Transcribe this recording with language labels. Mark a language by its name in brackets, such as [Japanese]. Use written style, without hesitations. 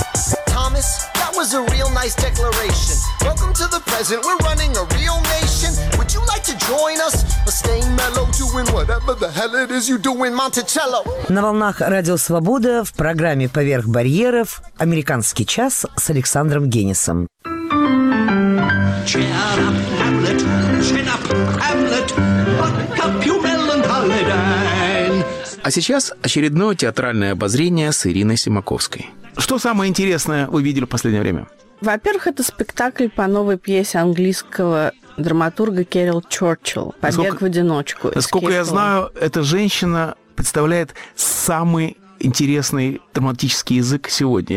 [English] That was a real nice declaration. Welcome to the present, we're running a real nation. Would you like to join us? Or stay mellow, doing whatever the hell it is you do in Monticello. [Russian] На волнах Радио Свобода в программе «Поверх барьеров» «Американский час» с Александром Генисом. [English] Cheer up, Hamlet, chin up, Hamlet, buttercup, you melancholy dine. [Russian] А сейчас очередное театральное обозрение с Ириной Симаковской. Что самое интересное вы видели в последнее время? Во-первых, это спектакль по новой пьесе английского драматурга Кэрил Чёрчилл «Побег в одиночку». Насколько я знаю, эта женщина представляет самый интересный драматический язык сегодня.